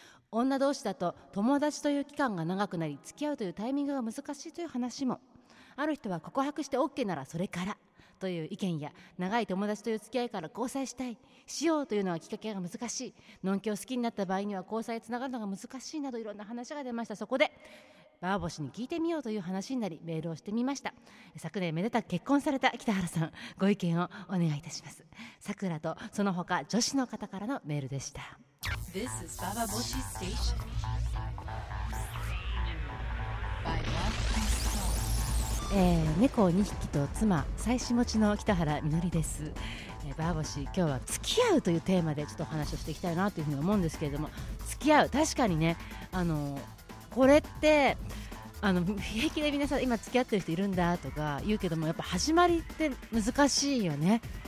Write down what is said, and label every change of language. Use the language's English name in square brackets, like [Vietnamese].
[Japanese] 女同士だと友達という期間が長くなり付き合うというタイミングが難しいという話も、ある人は告白して OK ならそれからという意見や、長い友達という付き合いから交際したいしようというのはきっかけが難しい、のんきを好きになった場合には交際へつながるのが難しいなど、いろんな話が出ました。そこでバーボシに聞いてみようという話になりメールをしてみました。昨年めでたく結婚された北原さん、ご意見をお願いいたします。さくらとその他女子の方からのメールでした。 [English] This is Baba Boshi Station by Love。 [Japanese] 猫2匹と妻妻子持ちの北原みのりです。バーボシ、今日は付き合うというテーマでちょっとお話をしていきたいなというふうに思うんですけれども、付き合う、確かにね、これって平気で皆さん今付き合ってる人いるんだとか言うけども、やっぱ始まりって難しいよね。